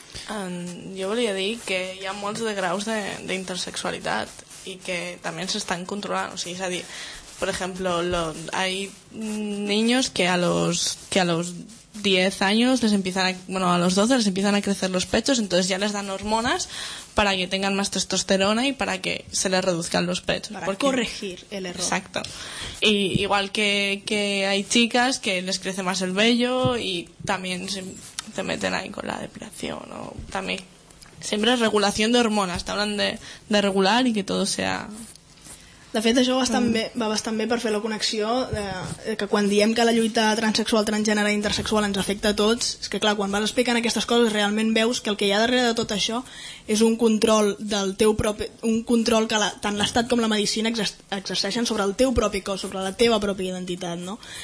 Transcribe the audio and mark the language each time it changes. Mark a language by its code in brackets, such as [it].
[ca] Jo volia dir que hi ha molts de graus d'intersexualitat i que també s'estan controlant, o sigui, és a dir, per exemple, hi ha nens que [es] a los 10 anys les empiezan a, bueno, a los 12 les empiezan a crecer los pechos, entonces ya les dan hormonas para que tengan más testosterona y para que se les reduzcan los pechos. Para porque... corregir el error. Exacto. Y igual que hay chicas que les crece más el vello y también se meten ahí con la depilación. O también siempre es regulación de hormonas. Te hablan de regular y que todo sea... [ca] De fet, això va bastant bé per fer la connexió que quan diem que la lluita transsexual, transgènere i intersexual ens afecta a tots, és que clar, quan vas explicant aquestes coses realment veus que el que hi ha darrere de tot això és un control del teu propi, un control que tant l'Estat com la medicina exerceixen sobre el teu propi cos, sobre la teva pròpia identitat, no?